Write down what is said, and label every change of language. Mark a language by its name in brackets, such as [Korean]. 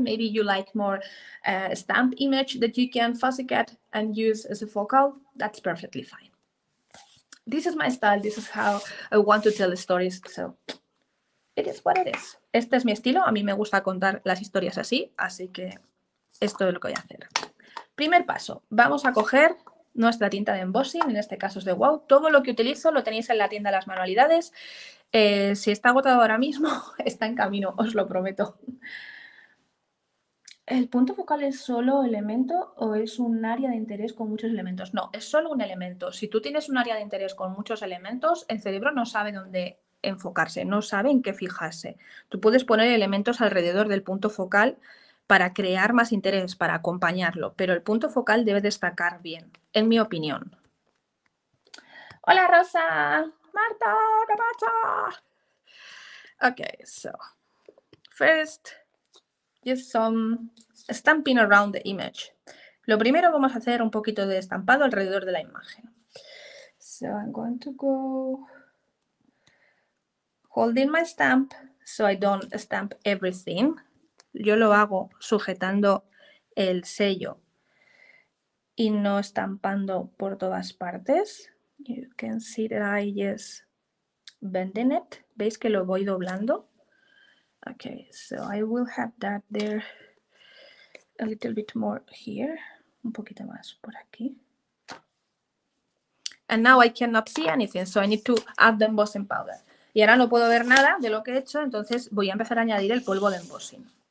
[English] Maybe you like more stamp image that you can fussy cut and use as a focal. That's perfectly fine. This is my style. This is how I want to tell stories. So it is what it is. [Spanish] Este es mi estilo. A mí me gusta contar las historias así. Así que esto es lo que voy a hacer. Primer paso. Vamos a coger nuestra tinta de embossing. En este caso es de Wow. Todo lo que utilizo lo tenéis en la tienda de las manualidades. Si está agotado ahora mismo, está en camino, os lo prometo. ¿El punto focal es solo elemento o es un área de interés con muchos elementos? No, es solo un elemento. Si tú tienes un área de interés con muchos elementos, el cerebro no sabe dónde enfocarse, no sabe en qué fijarse. Tú puedes poner elementos alrededor del punto focal para crear más interés, para acompañarlo, pero el punto focal debe destacar bien, en mi opinión. ¡Hola, Rosa! ¡Marta! ¿Qué pasa? [English] Ok, so, first, just some stamping around the image. [Spanish] Lo primero, vamos a hacer un poquito de estampado alrededor de la imagen. [English] So, I'm going to go holding my stamp so I don't stamp everything. [Spanish] Yo lo hago sujetando el sello y no estampando por todas partes. [English] You can see that I just bending it. [Spanish] ¿Veis que lo voy doblando? [English] Okay, so I will have that there a little bit more here. [Spanish] Un poquito más por aquí. [English] And now I cannot see anything, so I need to add the embossing powder. [Spanish] Y ahora no puedo ver nada de lo que he hecho, entonces voy a empezar a añadir el polvo de embossing.